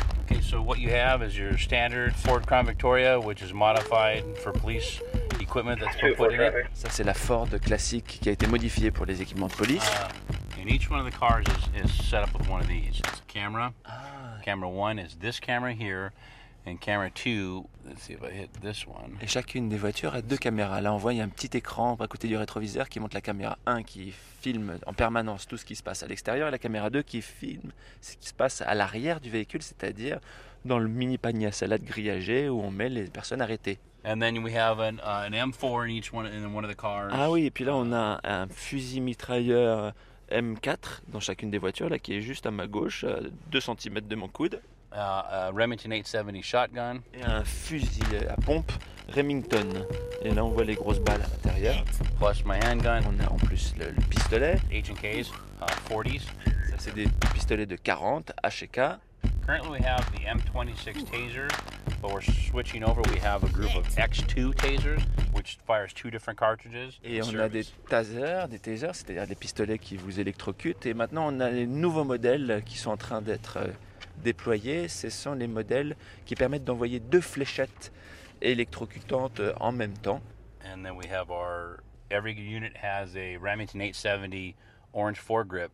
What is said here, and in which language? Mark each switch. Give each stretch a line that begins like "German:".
English: Okay, so what you have is your standard Ford Crown Victoria, which is modified for police equipment that's been put in it.
French: Ça, c'est la Ford classique qui a été modifiée pour les équipements de police.
English: And each one of the cars is set up with one of these. It's a camera. Ah. Camera one is this camera here. And camera two, let's see if I hit this one.
French: Et chacune des voitures a deux caméras. Là, on voit, il y a un petit écran à côté du rétroviseur qui montre la caméra 1 qui filme en permanence tout ce qui se passe à l'extérieur et la caméra 2 qui filme ce qui se passe à l'arrière du véhicule, c'est-à-dire dans le mini panier à salade grillagé où on met les personnes arrêtées.
English: And then we have an M4 in each one, in one of the cars.
French: Ah oui, et puis là, on a un fusil mitrailleur M4 dans chacune des voitures, là, qui est juste à ma gauche, 2 cm de mon coude.
English: Remington 870 shotgun.
French: Et un fusil à pompe Remington. Et là, on voit les grosses balles à l'intérieur.
English: Plus my handgun.
French: On a en plus le pistolet.
English: H&K's, 40s.
French: Ça, c'est des pistolets de 40, H&K.
English: Currently, we have the M26 taser, but we're switching over. We have a group of X2 tasers, which fires two different cartridges.
French: Et on a des tasers, c'est-à-dire des pistolets qui vous électrocutent. Et maintenant, on a les nouveaux modèles qui sont en train d'être déployés. Ce sont les modèles qui permettent d'envoyer deux fléchettes électrocutantes en même temps.
English: And then we have our every unit has a Remington 870 orange foregrip.